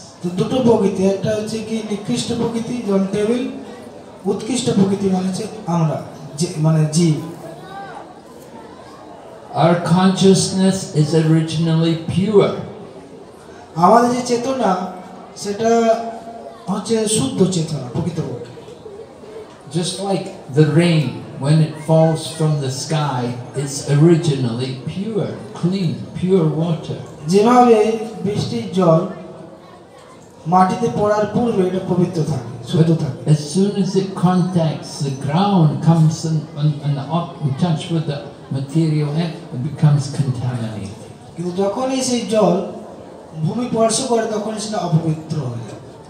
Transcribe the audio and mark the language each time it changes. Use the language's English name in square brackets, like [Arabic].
[Bangla] তো দুটো প্রকৃতি, একটা হচ্ছে কি নিকৃষ্ট প্রকৃতি যেমন টেবিল, উৎকৃষ্ট প্রকৃতি মানে হচ্ছে আমরা যে মানে জীব। [English] Our consciousness is originally pure. [Bangla] আমাদের যে চেতনা সেটা হচ্ছে শুদ্ধ চেতনা প্রকৃতপক্ষে। [English] Just like the rain, when it falls from the sky, it's originally pure, clean, pure water. [Bangla] যেভাবে বৃষ্টির জল মাটিতে পড়ার পূর্বে এটা পবিত্র থাকে, শুদ্ধ থাকে. [English] As soon as it contacts the ground, comes in touch with the material, it becomes contaminated. [Bangla] কিন্তু যখন সেই জল ভূমি স্পর্শ করে তখন সেটা অপবিত্র হয়ে যায়.